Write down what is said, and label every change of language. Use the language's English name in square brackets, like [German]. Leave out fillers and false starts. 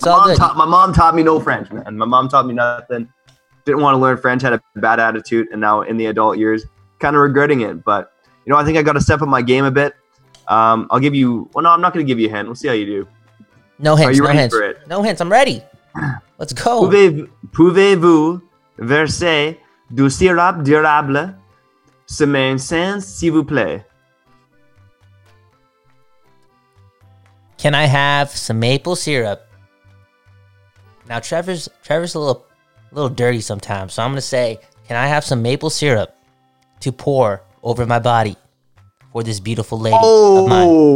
[English] My mom taught me no French, man. My mom taught me nothing. Didn't want to learn French, had a bad attitude, and now in the adult years, kind of regretting it. But, you know, I think I got to step up my game a bit. I'll give you – well, no, I'm not going to give you a hint. We'll see how you do. No hints. Are you ready for it? No hints. I'm ready. Let's go. [French] Pouvez-vous verser du sirop d'érable sur mes seins, s'il vous plaît? [English] Can I have some maple syrup? Now, Trevor's a little dirty sometimes, so I'm going to say, can I have some maple syrup to pour over my body for this beautiful lady of mine?